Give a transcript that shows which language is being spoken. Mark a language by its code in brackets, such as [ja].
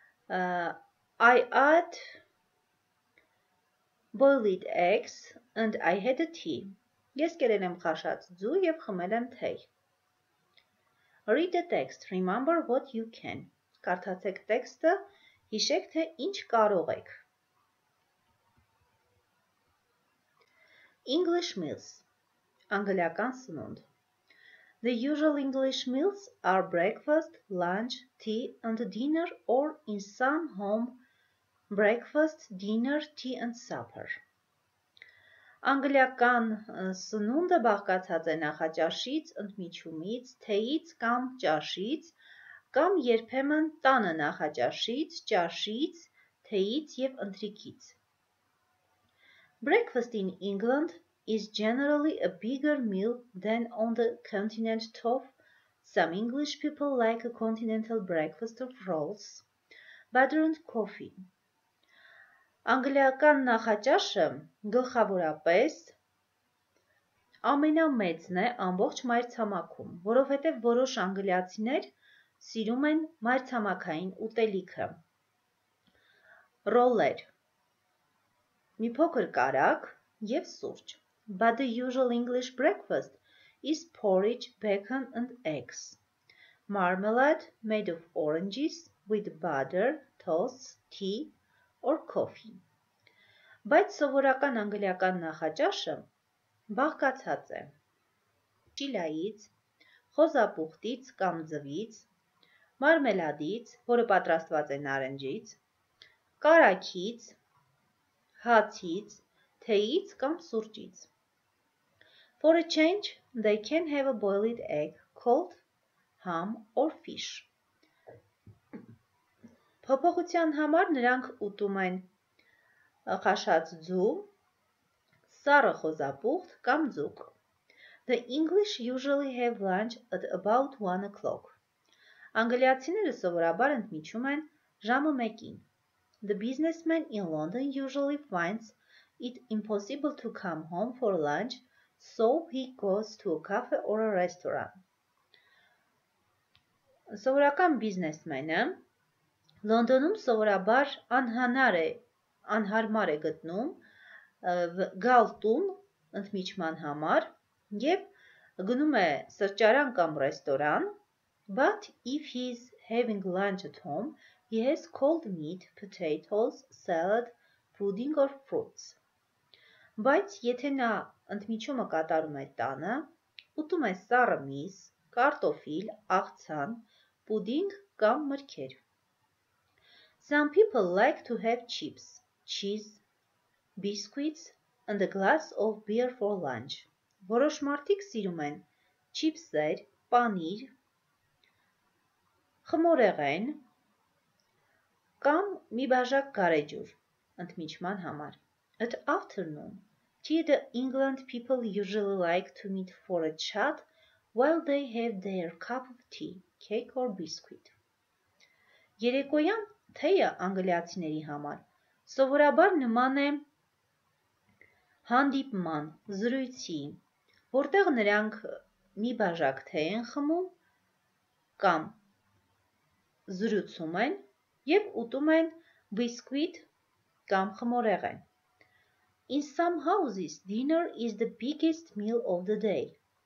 [en] I had boiled eggs and I had a tea. [hy] Ես գերել եմ խաշած ձու եւ խմել եմ թեյ. [en] Read the text. Remember what you can. [hy] Կարդացեք տեքստը, հիշեք թե ինչ կարող եք. [en] English meals. [hy] Անգլիական սնունդ. [en] The usual English meals are breakfast, lunch, tea and dinner, or in some home breakfast, dinner, tea and supper. [hy] Անգլիական սնունդը բաղկացած է նախաճաշից, ընդմիջումից, թեյից կամ ճաշից, կամ երբեմն տանը նախաճաշից, ճաշից, թեյից եւ ընթրիքից. [en] Breakfast in England is generally a bigger meal than on the continent top. Some English people like a continental breakfast of rolls, butter and coffee. [hy] Անգլիական նախաճաշը գլխավորապես ամենամեծն է ամբողջ մայրցամաքում, որովհետև որոշ անգլիացիներ սիրում են մայրցամաքային ուտելիքը. Ռոլեր. Մի փոքր կարակ եւ սուրճ. [en] But the usual English breakfast is porridge, bacon and eggs. Marmalade made of oranges with butter, toast, tea or coffee. [hy] Բայց սովորական անգլիական նախաճաշը բաղկացած է շիլայից, խոզապուխտից կամ ձվից, մարմելադից, որը պատրաստված է նարնջից, կարաքից, հացից, թեյից կամ սուրճից. [en] For a change, they can have a boiled egg, cold ham or fish. [hy] Փոփոխության համար նրանք ուտում են խաշած ձու, սառը խոզապուխտ կամ ձուկ. [en] The English usually have lunch at about 1 o'clock. [hy] Անգլիացիները սովորաբար ընդմիջում են ժամը 1-ին. [en] The businessman in London usually finds it impossible to come home for lunch, so he goes to a cafe or a restaurant. [hy] Սովորական բիզնեսմենը Լոնդոնում սովորաբար անհարմար է գտնում գալ տուն ընդմիջման համար եւ գնում է սրճարան կամ ռեստորան, [en] but if he's having lunch at home, he has cold meat, potatoes, salad, pudding or fruits. [hy] Բայց եթե նա ընդմիջումը կատարում է տանը, ուտում է սառը միս, կարտոֆիլ, աղցան, պուդինգ կամ մրգեր. [en] Some people like to have chips, cheese, biscuits and a glass of beer for lunch. [hy] Որոշ մարդիկ սիրում են չիպսեր, պանիր, խմորեղեն կամ մի բաժակ գարեջուր ընդմիջման համար. [en] At afternoon, tired England people usually like to meet for a chat while they have their cup of tea, cake or biscuit. [hy] Երեկոյան թեյը անգլիացիների համար սովորաբար նման է հանդիպման, զրույցի, որտեղ նրանք մի բաժակ թեյ են խմում կամ զրուցում են եւ ուտում են բիսկուիտ կամ խմորեղեն։ [en] In some houses dinner is the biggest meal of the day.